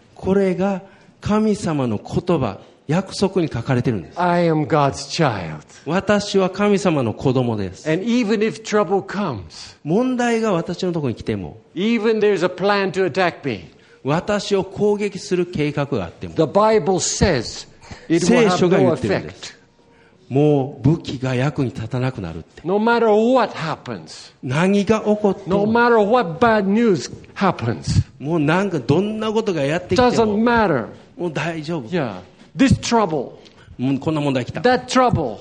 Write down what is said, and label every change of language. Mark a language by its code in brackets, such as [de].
[ja] これが神様の言葉、約束に書かれてるんです。 [en] I am God's child. [ja] 私は神様の子供です。 [en] And even if trouble comes, [ja] 問題が私のところに来ても、 [en] even there's a plan to attack me, [ja] 私を攻撃する計画があっても、 [en] the Bible says it will have no effect. [ja] もう武器が役に立たなくなるって。 [en] No matter what happens, [ja] 何が起こっても。 [en] No matter what bad news happens, [ja] もうなんかどんなことがやってきても。 [en] Doesn't matter. [ja] もう大丈夫。 [en] Yeah. This trouble. [ja] もうこんな問題来た。 [en] That trouble.